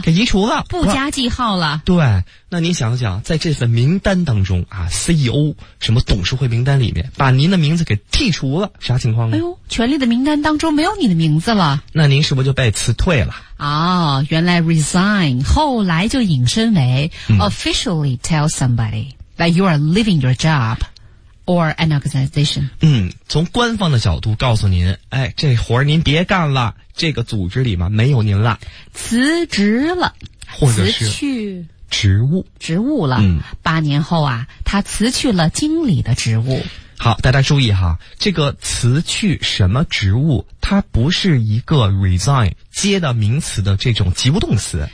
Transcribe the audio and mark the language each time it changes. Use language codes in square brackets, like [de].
[zh] 给移除了，不加记号了。对，那您想想，在这份名单当中啊 ，CEO 什么董事会名单里面，把您的名字给剔除了，啥情况呢？哎呦，权力的名单当中没有你的名字了。那您是不是就被辞退了？哦，原来 resign 后来就引申为、嗯、 [en] officially tell somebody that you are leaving your job。 Or an organization. [zh] 嗯，从官方的角度告诉您，哎，这活儿您别干了，这个组织里嘛没有您了，辞职了，或者是辞去职务，职务了。嗯，八年后啊，他辞去了经理的职务。好，大家注意哈，这个辞去什么职务，它不是一个 resign 接的名词的这种及物动词，